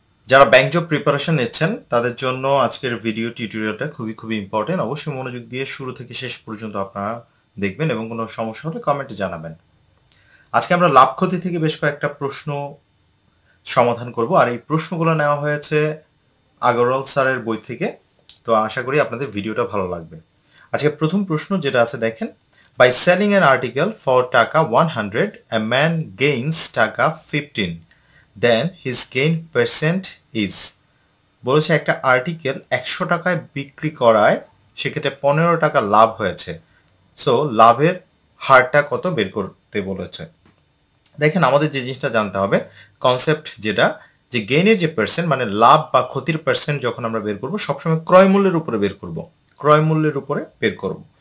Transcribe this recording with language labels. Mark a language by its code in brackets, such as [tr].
[bn] যারা bank job preparation নিচ্ছেন তাদের জন্য আজকের ভিডিও টিউটোরিয়ালটা খুবই খুবই ইম্পর্টেন্ট। অবশ্যই মনোযোগ দিয়ে শুরু থেকে শেষ পর্যন্ত আপনারা দেখবেন এবং কোনো সমস্যা হলে কমেন্টে জানাবেন। আজকে আমরা লাভ ক্ষতি থেকে বেশ কয়েকটা প্রশ্ন সমাধান করব, আর এই প্রশ্নগুলো নেওয়া হয়েছে আগরওয়াল স্যারের বই থেকে। তো আশা করি আপনাদের ভিডিওটা ভালো লাগবে। আজকে প্রথম প্রশ্ন যেটা আছে, দেখেন, [en] By selling an article for taka 100, a man gains taka 15. Then his gain percent is. [bn] বলেছে একটা আর্টিকেল 100 টাকায় বিক্রি করায় সেক্ষেত্রে 15 টাকা লাভ হয়েছে। সো লাভের হারটা কত বের করতে বলেছে। দেখেন, আমাদের যে জিনিসটা জানতে হবে কনসেপ্ট যেটা, যে গেইনের যে পার্সেন্ট মানে লাভ বা ক্ষতির পার্সেন্ট যখন আমরা বের করবো সবসময় ক্রয়মূল্যের উপরে বের করবো, ক্রয়মূল্যের উপরে বের করবো।